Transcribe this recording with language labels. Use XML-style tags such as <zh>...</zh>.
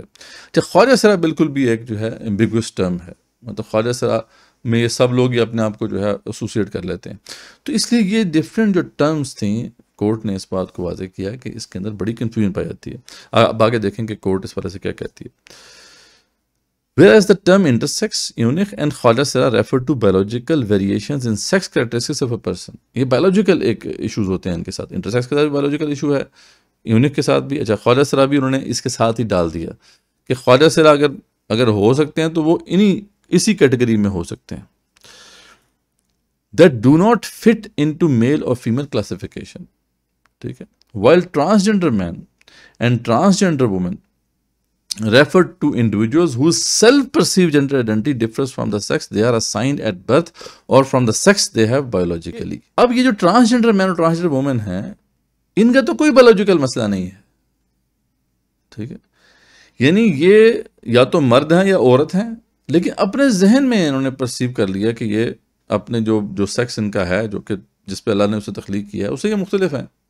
<ur>اچھا خواجہ سرا بالکل بھی ایک جو ہے ایمبیگوس ٹرم ہے، مطلب خواجہ سرا میں یہ سب لوگ یہ اپنے آپ کو جو ہے ایسوسیٹ کر لیتے ہیں. تو اس لیے یہ ڈفرینٹ جو ٹرمس تھیں کورٹ نے اس بات کو واضح کیا کہ اس کے اندر بڑی کنفیوژن پائی جاتی ہے. اب آگے دیکھیں کہ کورٹ اس بارے سے کیا کہتی ہے.</ur> <en>Where is the term intersex, eunuch and khawaja sira refer to biological variations in sex characteristics of a person.</en> <ur>یہ بایولوجیکل ایک ایشوز ہوتے ہیں ان کے ساتھ، انٹرسیکس کے ساتھ بھی بایولوجیکل ایشو ہے، یونک کے ساتھ بھی. اچھا خواجہ سرا بھی انہوں نے اس کے ساتھ ہی ڈال دیا کہ خواجہ سرا اگر ہو سکتے ہیں تو وہ اسی کیٹیگری میں ہو سکتے ہیں.</ur> <en>that do not fit into male اور female classification,</en> <ur>ٹھیک ہے.</ur> <en>While transgender men and transgender women refer to individuals whose self perceive gender identity difference from the sex they are assigned at birth اور from the sex they have biologically.</en> <ur>اب یہ جو transgender مین اور transgender women ہیں ان کا تو کوئی biological مسئلہ نہیں ہے، ٹھیک ہے. یعنی یہ یا تو مرد ہیں یا عورت ہیں، لیکن اپنے ذہن میں انہوں نے پرسیو کر لیا کہ یہ اپنے جو سیکس ان کا ہے جو کہ جس پہ اللہ نے اسے تخلیق کیا ہے اسے یہ مختلف ہیں.</ur>